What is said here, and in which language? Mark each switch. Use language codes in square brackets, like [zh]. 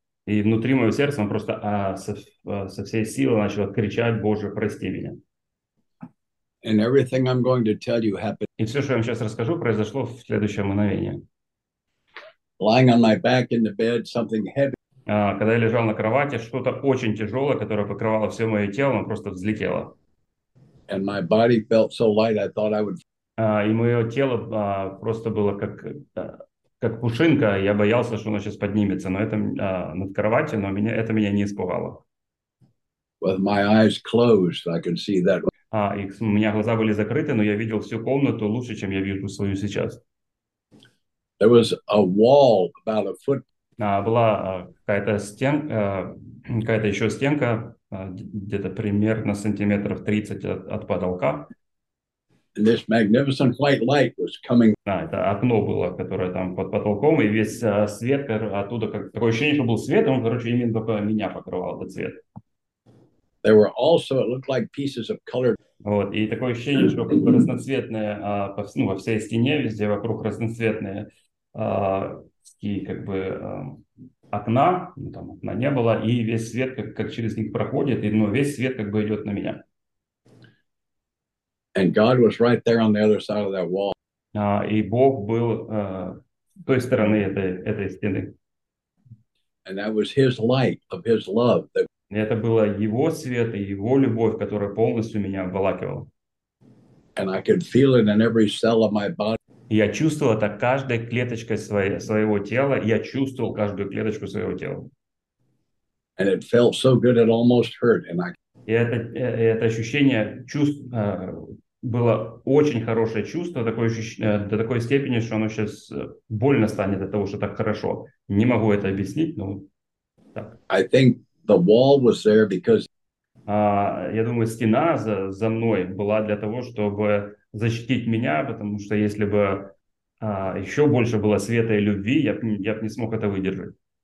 [ru] И внутри моего сердца он просто со всей силы начал кричать, "Боже, прости меня!" [en] And everything I'm going to tell you happened. [ru] И все, что я вам сейчас расскажу, произошло в следующее мгновение. [en] Lying on my back in the bed, something heavy. [ru] Когда я лежал на кровати, что-то очень тяжелое, которое покрывало все мое тело, оно просто взлетело. [en] And my body felt so light, I thought I would. [ru] И мое тело просто было как пушинка, я боялся, что оно сейчас поднимется, но это над кроватью, но меня не испугало. [en] With my eyes closed, I could see that. [ru] И у меня глаза были закрыты, но я видел всю комнату лучше, чем я вижу свою сейчас. [en] There was a wall about a foot. [ru] Была какая-то еще стенка, где-то примерно сантиметров 30 от потолка. [en] And this magnificent white light was coming. [ru] Это окно было, которое там под потолком, и весь свет оттуда, как такое ощущение, что был свет, он, короче, именно только меня покрывал этот свет. [en] There were also, it looked like pieces of color. [ru] Вот, и такое ощущение, что как бы разноцветные, ну, во всей стене, везде вокруг разноцветные, такие, как бы, окна, ну, там окна не было, и весь свет как через них проходит, и, ну, весь свет как бы идет на меня. [en] And God was right there on the other side of that wall. [ru] И Бог был с той стороны этой стены. [en] And that was his light of his love. [ru] Это было его свет и его любовь, которая полностью меня обволакивала. [en] And I could feel it in every cell of my body. [ru] Я чувствовал это каждой клеточкой своего тела. Я чувствовал каждую клеточку своего тела. [en] And it felt so good it almost hurt. And I. [ru] И это ощущение чувств было очень хорошее чувство, до такой степени, что оно сейчас больно станет от того, что так хорошо. Не могу это объяснить, но так. [en] I think the wall was there because. [ru] Я думаю, стена за мной была для того, чтобы защитить меня, потому что если бы еще больше было света и любви, я бы не смог это выдержать.